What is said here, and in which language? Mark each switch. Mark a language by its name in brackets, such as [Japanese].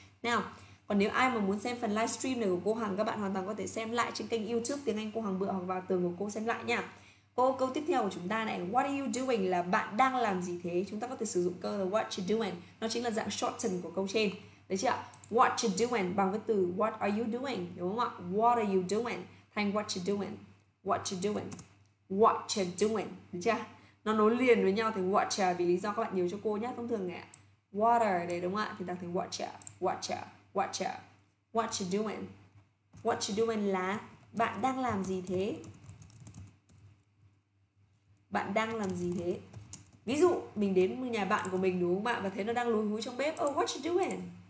[Vietnamese] Nào, còn nếu ai mà muốn xem phần livestream này của cô Hằng, các bạn hoàn toàn có thể xem lại trên kênh YouTube Tiếng Anh cô Hằng Bựa hoặc vào tường của cô xem lại nha. Câu tiếp theo của chúng ta này, [English] what are you doing, [Vietnamese] là bạn đang làm gì thế? Chúng ta có thể sử dụng câu là [English] what you doing, [Vietnamese] nó chính là dạng shorten của câu trên, đấy chưa? [English] What you doing [Vietnamese] bằng với từ [English] what are you doing, đúng không ạ? What are you doing [Vietnamese] thành [English] what you doing, what you doing, what you doing, [Vietnamese] đấy chưa? Nó nối liền với nhau thành whatcha, vì lý do các bạn nhớ cho cô nhé. Thông thường này water đấy đúng không ạ, thì đọc thành whatcha, whatcha, whatcha. [English] What you doing [Vietnamese] là bạn đang làm gì thế? Bạn đang làm gì thế? Ví dụ mình đến nhà bạn của mình đúng không ạ, và thấy nó đang lúi húi trong bếp. [English] Oh, what you doing?